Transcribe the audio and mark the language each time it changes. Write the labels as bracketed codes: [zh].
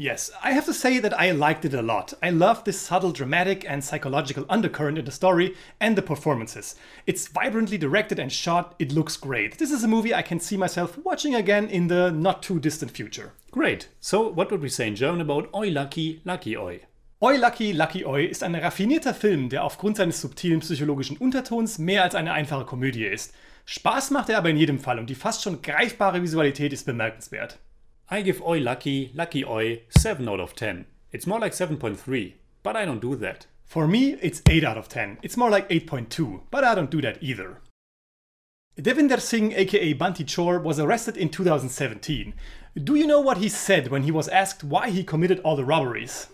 [en] Yes, I have to say that I liked it a lot. I love this subtle dramatic and psychological undercurrent in the story and the performances. It's vibrantly directed and shot, it looks great. This is a movie I can see myself watching again in the not-too-distant future. Great. So what would we say in German about Oi Lucky, Lucky Oi? [de] Oi Lucky, Lucky Oi ist ein raffinierter Film, der aufgrund seines subtilen psychologischen Untertons mehr als eine einfache Komödie ist. Spaß macht er aber in jedem Fall und die fast schon greifbare Visualität ist bemerkenswert. [en] I give Oi Lucky, Lucky Oi 7 out of 10. It's more like 7.3, but I don't do that. For me, it's 8 out of 10. It's more like 8.2, but I don't do that either. Devinder Singh, aka Banti Chor, was arrested in 2017. Do you know what he said when he was asked why he committed all the robberies?